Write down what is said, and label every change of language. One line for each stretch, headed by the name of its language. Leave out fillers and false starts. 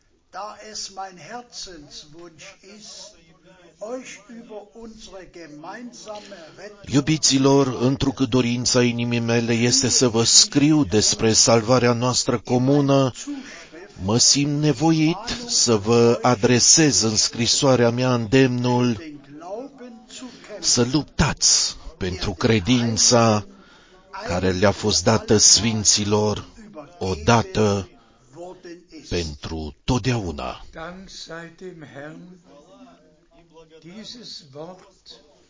German: Da es mein Herzenswunsch ist, euch über unsere gemeinsame Rettung.
Romanian: Iubiților, întrucât dorința inimii mele este să vă scriu despre salvarea noastră comună, mă simt nevoit să vă adresez în scrisoarea mea îndemnul să luptați pentru credința care le-a fost dată sfinților odată pentru totdeauna.
German: Dank sei dem Herrn. Dieses Wort